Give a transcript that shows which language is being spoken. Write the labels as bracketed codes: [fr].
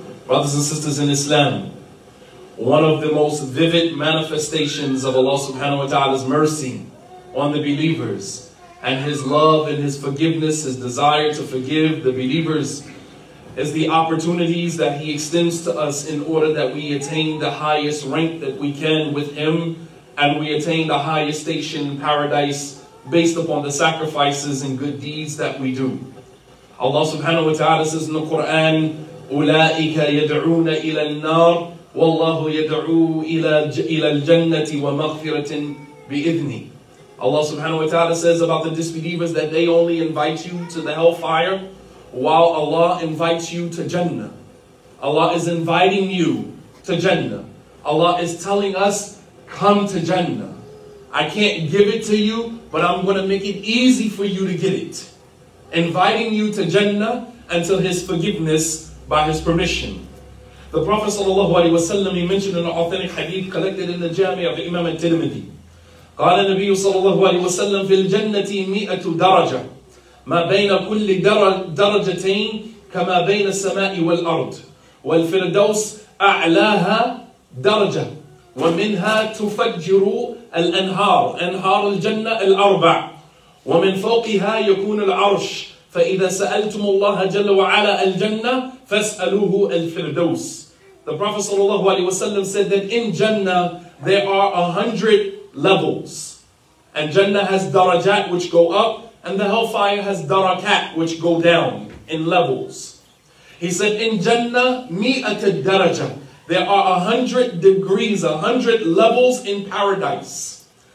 [en] Brothers and sisters in Islam, one of the most vivid manifestations of Allah subhanahu wa ta'ala's mercy on the believers and His love and His forgiveness, His desire to forgive the believers, is the opportunities that He extends to us in order that we attain the highest rank that we can with Him and we attain the highest station in paradise based upon the sacrifices and good deeds that we do. Allah subhanahu wa ta'ala says in the Quran, [ar] أولئك يدعون إلى النار والله يدعو إلى الجنة ومغفرة بإذنه. [en] Allah subhanahu wa ta'ala says about the disbelievers that they only invite you to the hellfire while Allah invites you to Jannah. Allah is inviting you to Jannah. Allah is telling us, come to Jannah. I can't give it to you, but I'm going to make it easy for you to get it. Inviting you to Jannah until His forgiveness by His permission. The Prophet sallallahu alaihi wasallam, he mentioned in an authentic hadith collected in the Jami' of Imam al-Tirmidhi. [ar] قَالَ النَّبِيُّ sallallahu alaihi wasallam فِي الْجَنَّةِ مِئَةُ دَرَجَةٍ مَا بَيْنَ كُلِّ دَرَجَتَيْنِ كَمَا بَيْنَ السَّمَاءِ وَالْأَرْضِ وَالْفِرْدَوْسِ أَعْلَاهَا دَرَجَةٌ ومنها تفجر الأنهار أنهار الجنة الأربع ومن فوقها يكون العرش فإذا سألتم الله جل وعلا الجنة فاسألوه الفردوس. [en] The Prophet صلى الله عليه وسلم said that in Jannah there are 100 levels. And Jannah has darajat which go up, and the hellfire has darakat which go down in levels. He said, in Jannah, [ar] mi'at daraja. [en] There are 100 degrees, 100 levels in paradise.